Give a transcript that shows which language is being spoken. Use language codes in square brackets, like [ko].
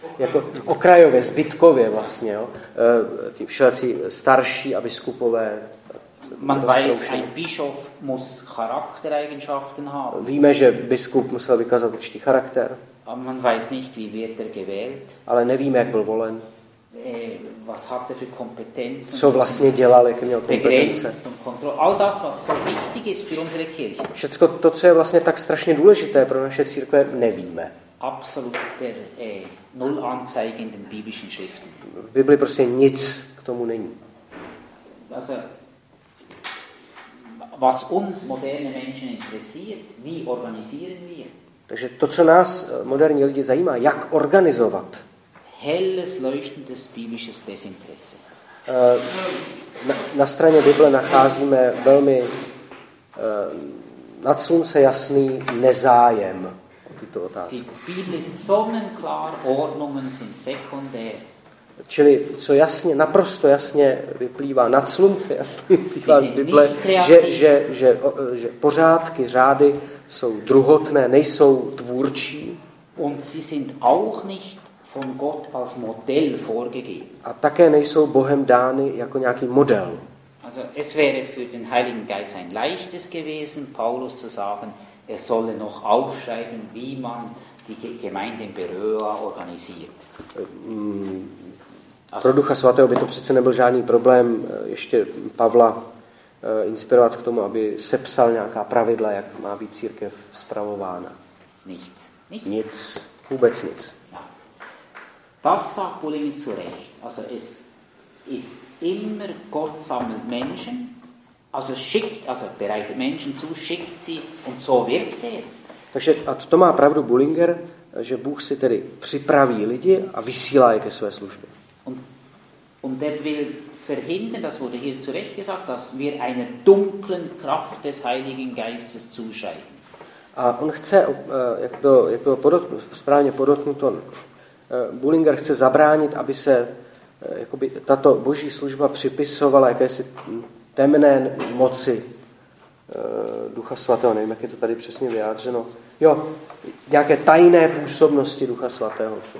[cs] Jako okrajově, zbytkově vlastně, jo. Ti všelací starší a biskupové. [de] Man weiß, ein Bischof muss Charaktereigenschaften haben. [cs] Víme, že biskup musel vykazat určitý charakter. [de] A man weiß nicht, wie wird er gewählt. [cs] Ale nevíme, jak byl volen. [de] Was hat er für Kompetenzen? [cs] Co vlastně dělal, jaké měl kompetence? [de] All das, was so wichtig ist für unsere Kirche. [cs] Všecko to, co je vlastně tak strašně důležité pro naše církve, nevíme. [de] Absolut der null Anzeige in den biblischen Schriften. [cs] V Bibli prostě nic k tomu není. [de] Also, was uns moderne Menschen interessiert, wie organisieren wir? [cs] Takže to, co nás moderní lidi zajímá, jak organizovat? [de] Helles leuchtendes biblisches Desinteresse. [cs] Na straně Bible nacházíme velmi nad slunce jasný nezájem o tyto otázky. [de] Die Bibel ist sonnenklar, Ordnungen sind sekundär. [cs] Čili co jasně, naprosto jasně vyplývá nad slunce jasný vyplývá z Bible, že pořádky, řády jsou druhotné, nejsou tvůrčí. [de] Und sie sind auch nicht von Gott als Modell vorgegeben. [cs] A také nejsou Bohem dány jako nějaký model. [de] Also es wäre für den Heiligen Geist ein leichtes gewesen, Paulus zu sagen, er solle noch aufschreiben, wie man die Gemeinde in Beröa organisiert. [cs] Pro Ducha Svatého by to přece nebyl žádný problém ještě Pavla inspirovat k tomu, aby sepsal nějaká pravidla, jak má být církev spravována. Nic. Vůbec nic. [de] Das sagt Polemi zu Recht. Also es ist immer, Gott sammelt Menschen, also schickt, also bereitet Menschen zu, schickt sie und so wirkt er. [cs] Takže a to má pravdu Bullinger, že Bůh si tedy připraví lidi a vysílá je ke své službě. [de] Und er will verhindern, das wurde hier zu Recht gesagt, dass wir einer dunklen Kraft des Heiligen Geistes zuschreiben. [cs] A on chce, jak to správně podotknuto, Bullinger chce zabránit, aby se jakoby tato boží služba připisovala jakési temné moci Ducha Svatého. Nevím, jak je to tady přesně vyjádřeno. Jo, nějaké tajné působnosti Ducha Svatého.